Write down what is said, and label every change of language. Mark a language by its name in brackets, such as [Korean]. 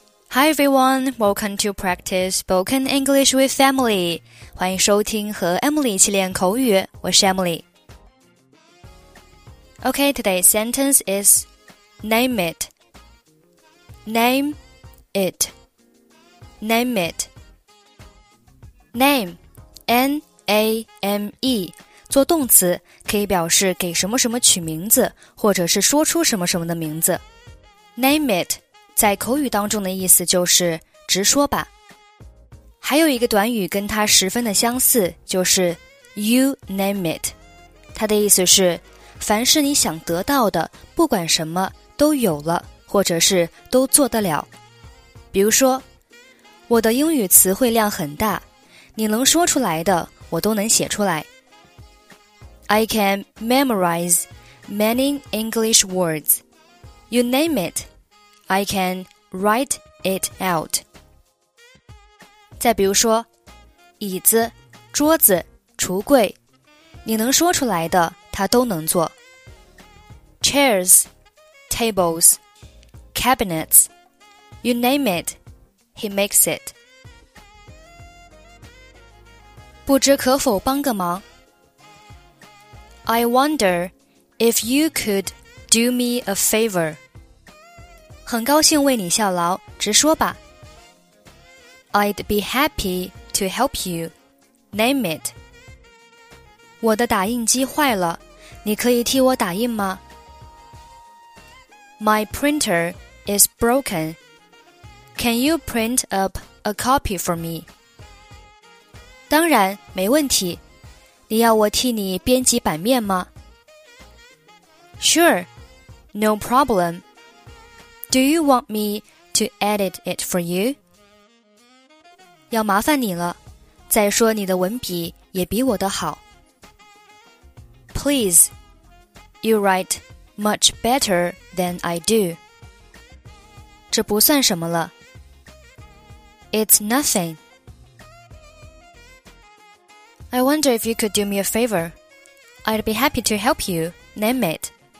[English] Hi everyone, welcome to practice spoken English with Emily. [Chinese] 欢迎收听和 Emily 一起练口语，我是 Emily. [English] Okay, today's sentence is name it. Name it. Name it. [Chinese] Name, N-A-M-E, 做动词可以表示给什么什么取名字，或者是说出什么什么的名字。 [English] Name it. [Chinese] 在口语当中的意思就是直说吧。还有一个短语跟它十分的相似，就是 [English] you name it。 [Chinese] 它的意思是，凡是你想得到的，不管什么都有了，或者是都做得了。比如说，我的英语词汇量很大，你能说出来的，我都能写出来。 [English] I can memorize many English words. You name it. I can write it out. [Chinese] 再比如说，椅子、桌子、橱柜，你能说出来的，他都能做。 [English] Chairs, tables, cabinets, you name it, he makes it. [Chinese] 不知可否帮个忙。 [English] I wonder if you could do me a favor. [Chinese] 很高兴为你效劳，直说吧。 [English] I'd be happy to help you. Name it. [Chinese] 我的打印机坏了，你可以替我打印吗？ [English] My printer is broken. Can you print up a copy for me? [Chinese] 当然，没问题。你要我替你编辑版面吗？ [English] Sure, no problem. Do you want me to edit it for you? [Chinese] 要麻烦你了，再说你的文笔也比我的好。 [English] Please, you write much better than I do. [Chinese] 这不算什么了。 [English] It's nothing. I wonder if you could do me a favor. I'd be happy to help you, name it.